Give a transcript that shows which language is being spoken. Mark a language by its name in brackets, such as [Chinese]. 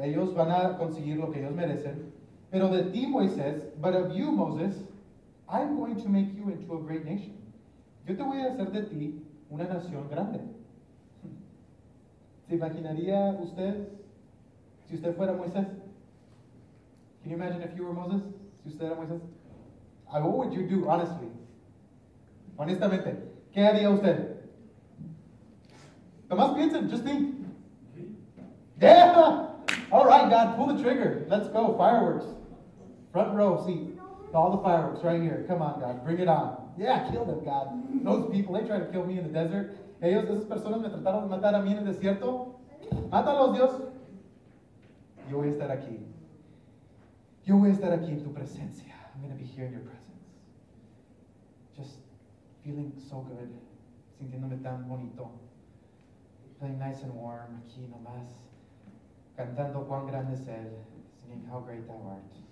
[Spanish] Ellos van a conseguir lo que ellos merecen. Pero de ti, Moisés, [English] but of you, Moses, I'm going to make you into a great nation. [Spanish] Yo te voy a hacer de ti una nación grande. ¿Se imaginaría usted si usted fuera Moisés? [English] Can you imagine if you were Moses? [Spanish] Si usted era Moisés. [English] What would you do, honestly? [Spanish] Honestamente, ¿qué haría usted? Tomás, piensa, [English] just think. Yeah! All right, God, pull the trigger. Let's go, fireworks. Front row, seat. All the fireworks right here. Come on, God, bring it on. Yeah, kill them, God. Those people, they tried to kill me in the desert. [Spanish] Ellos, esas personas me trataron de matar a mí en el desierto. Mátalos, Dios. Yo voy a estar aquí. Yo voy a estar aquí en tu presencia. [English] I'm going to be here in your presence. Just feeling so good. [Spanish] Sintiéndome tan bonito. [English] Feeling nice and warm. [Spanish] Aquí nomás. Cantando cuán grande es él. [English] Singing how great thou art.